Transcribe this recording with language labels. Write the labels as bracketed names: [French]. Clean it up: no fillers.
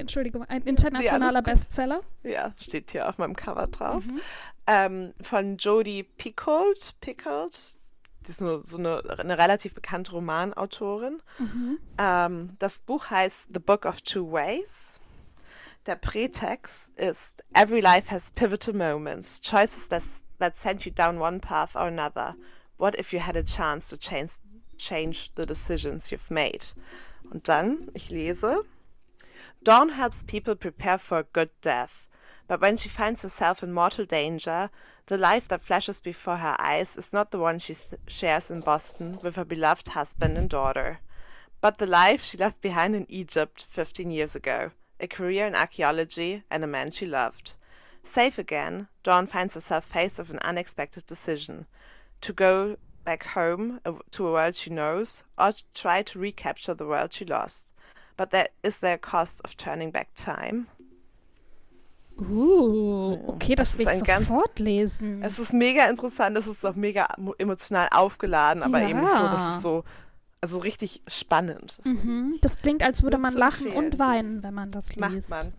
[German] Entschuldigung. Ein Nee, alles internationaler gut. Bestseller. Ja, steht hier auf meinem Cover drauf. Von Jodi Picoult. Picoult, die ist nur so eine relativ bekannte Romanautorin. Das Buch heißt The Book of Two Ways. Der Prätext ist: [English] Every life has pivotal moments, choices that sent you down one path or another. What if you had a chance to change the decisions you've made? [German] Und dann, ich lese, [English] Dawn helps people prepare for a good death, but when she finds herself in mortal danger, the life that flashes before her eyes is not the one she shares in Boston with her beloved husband and daughter, but the life she left behind in Egypt 15 years ago, a career in archaeology and a man she loved. Safe again, Dawn finds herself faced with an unexpected decision, to go back home to a world she knows or to try to recapture the world she lost. But there is there a cost of turning back time? [German] Okay, das will ich sofort lesen. Es ist mega interessant, es ist auch mega emotional aufgeladen, aber eben so, das ist so, also richtig spannend. Mhm. Das klingt, als würde man lachen und weinen, wenn man das liest.